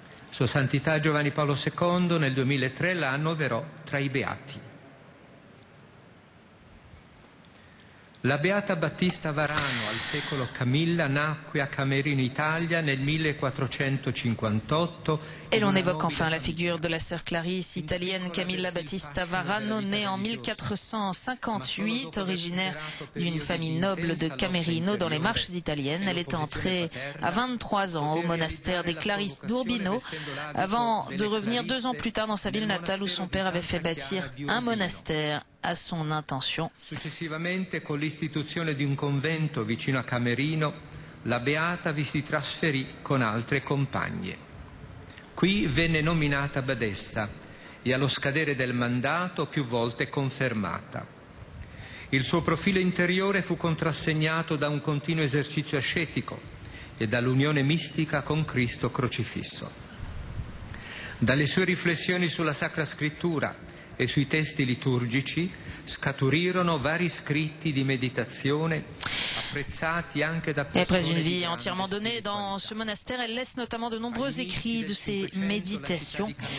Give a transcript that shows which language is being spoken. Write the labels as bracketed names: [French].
[Italian] Sua Santità Giovanni Paolo II, nel 2003, la annoverò tra i beati. La beata Battista Varano, al secolo Camilla, nacque a Camerino, Italia, nel 1458. [French] Et l'on évoque enfin la figure de la sœur Clarisse, italienne Camilla Battista Varano, née en 1458, originaire d'une famille noble de Camerino dans les Marches italiennes. Elle est entrée à 23 ans au monastère des Clarisses d'Urbino, avant de revenir 2 ans plus tard dans sa ville natale où son père avait fait bâtir un monastère à son intention. [Italian] Successivamente, con l'istituzione di un convento vicino a Camerino, la beata vi si trasferì con altre compagne. Qui venne nominata badessa e allo scadere del mandato più volte confermata. Il suo profilo interiore fu contrassegnato da un continuo esercizio ascetico e dall'unione mistica con Cristo crocifisso. Dalle sue riflessioni sulla Sacra Scrittura e sui testi liturgici scaturirono vari scritti di meditazione. [French] Et après une vie entièrement donnée dans ce monastère, elle laisse notamment de nombreux écrits de ses méditations.